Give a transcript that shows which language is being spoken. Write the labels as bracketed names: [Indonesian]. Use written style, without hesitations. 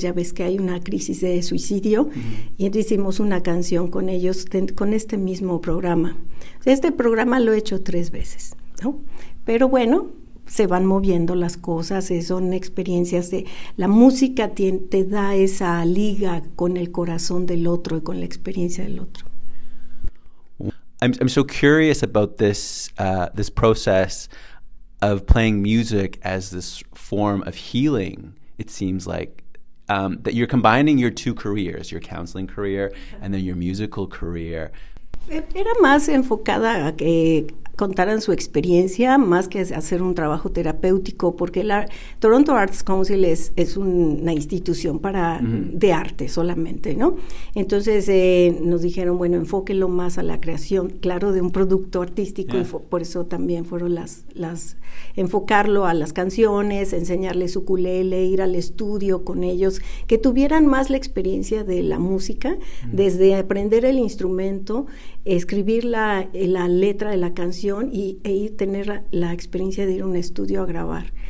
[Spanish] Ya ves que hay una crisis de suicidio. Uh-huh. Y entonces hicimos una canción con ellos, con este mismo programa. Este programa lo he hecho 3 veces, ¿no? Pero bueno, se van moviendo las cosas, son experiencias de... La música te da esa liga con el corazón del otro y con la experiencia del otro. [English] I'm so curious about this process of playing music as this form of healing, it seems like, that you're combining your two careers, your counseling career and then your musical career. [Spanish] Era más enfocada a que contaran su experiencia más que hacer un trabajo terapéutico, porque la Toronto Arts Council es una institución para de arte solamente, ¿no? Entonces nos dijeron, bueno, enfóquenlo más a la creación, claro, de un producto artístico, y por eso también fueron las enfocarlo a las canciones, enseñarles ukulele, ir al estudio con ellos, que tuvieran más la experiencia de la música, desde aprender el instrumento, escribir la letra de la canción e ir tener la experiencia de ir a un estudio a grabar.